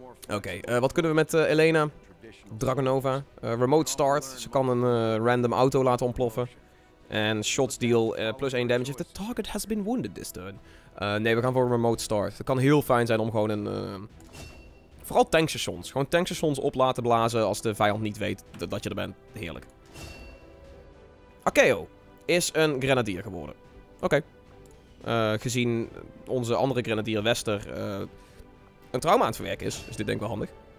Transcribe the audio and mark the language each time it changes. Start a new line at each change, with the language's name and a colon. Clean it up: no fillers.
Dutch: Oké, wat kunnen we met Elena? Dragunova. Remote start. Ze kan een random auto laten ontploffen.
English: En shots deal plus 1 damage if the target has been wounded this turn.
Dutch: Nee, we gaan voor een remote start. Het kan heel fijn zijn om gewoon een... vooral tankstations. Gewoon tankstations op laten blazen als de vijand niet weet dat je er bent. Heerlijk. Akeo is een grenadier geworden. Oké. Gezien onze andere grenadier Wester een trauma aan het verwerken is. Is dit denk ik wel handig.